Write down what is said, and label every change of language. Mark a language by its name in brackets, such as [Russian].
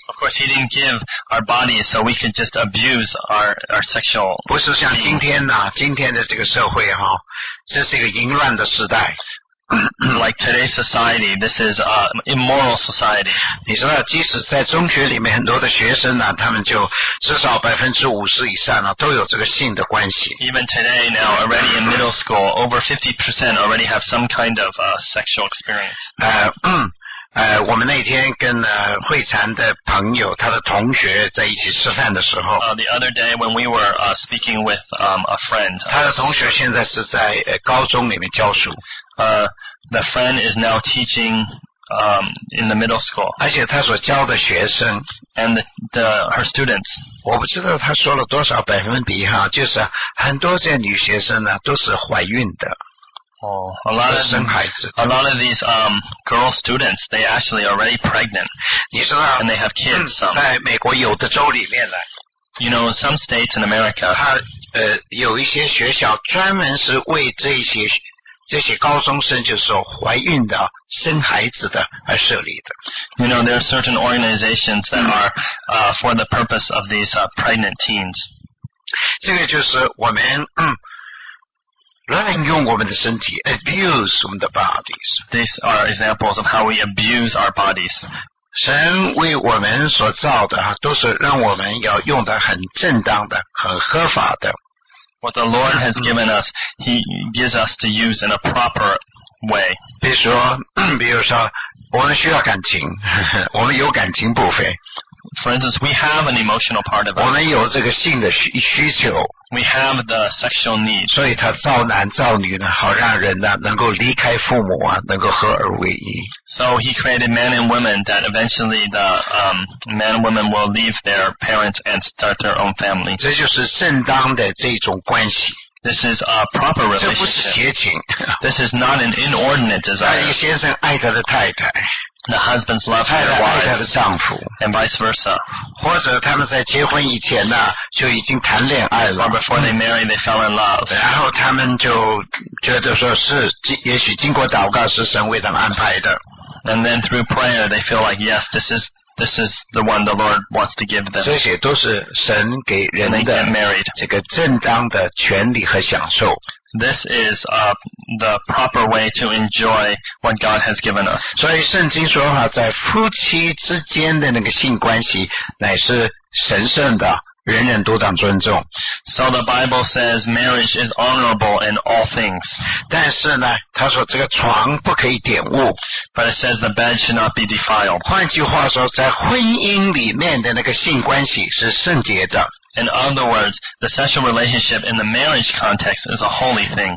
[English] Of course, He didn't give our bodies so we could just abuse our sexual. [Chinese] 不是像今天呐、啊，今天的这个社会哈、啊，这是一个淫乱的时代。 [English] Like today's society, this is an immoral society. [Chinese] 你知道，即使在中学里面，很多的学生呢、啊，他们就至少50%以上呢、啊，都有这个性的关系。 [English] Even today, now already in middle school, over 50% already have some kind of sexual experience. [Chinese] 我们那天跟会禅的朋友他的同学在一起吃饭的时候 [English] The other day when we were speaking with a friend [Chinese] 他的同学现在是在高中里面教书 [English] The friend is now teaching in the middle school [Chinese] 而且他所教的学生 [English] And her students [Chinese] 我不知道他说了多少百分比哈，就是很多这女学生呢都是怀孕的 [English] Oh, a lot of these girl students, they actually already pregnant. [Chinese] 你知道, [English] and they have kids. [Chinese] 在美国有的州里面呢, [English] you know, some states in America, [Chinese] 它有一些学校专门是为这些高中生就是说怀孕的生孩子的而设立的。 [English] You know, there are certain organizations that are for the purpose of these pregnant teens. [Chinese] 这个就是我们滥用我们的身体 [English] abuse [Chinese] 我们的 [English] bodies These are examples of how we abuse our bodies [Chinese] 神为我们所造的都是让我们要用得很正当的很合法的 [English] What the Lord has given us He gives us to use in a proper way [Chinese] 比如说我们需要感情我们有感情部分 [English] For instance, we have an emotional part of us. [Chinese] 我们有这个性的需求。 [English] We have the sexual need. [Chinese] 所以他造男造女呢，好让人呢能够离开父母啊，能够合而为一。 [English] So he created men and women that eventually the men and women will leave their parents and start their own family. [Chinese] 这就是正当的这种关系。 [English] This is a proper relationship. [Chinese] 这不是邪情。 [English] This is not an inordinate desire. [Chinese] 那一个先生爱他的太太。 [English] The husband's love for the wife, [Chinese] 太太爱他的丈夫 [English] and vice versa. [Chinese] 或者他们在结婚以前呢，就已经谈恋爱了 [English] Or before they married, they fell in love. [Chinese] 然后他们就觉得说是，也许经过祷告是神为他们安排的 [English] And then through prayer, they feel like yes, this is the one the Lord wants to give them. [Chinese] 这些都是神给人的这个正当的权利和享受 [English] This is the proper way to enjoy what God has given us. [Chinese] 所以圣经说哈，在夫妻之间的那个性关系乃是神圣的，人人都当尊重。 [English] So the Bible says marriage is honorable in all things. [Chinese] 但是呢，他说这个床不可以玷污。 [English] But it says the bed should not be defiled. [Chinese] 换句话说，在婚姻里面的那个性关系是圣洁的。 [English] In other words, the sexual relationship in the marriage context is a holy thing.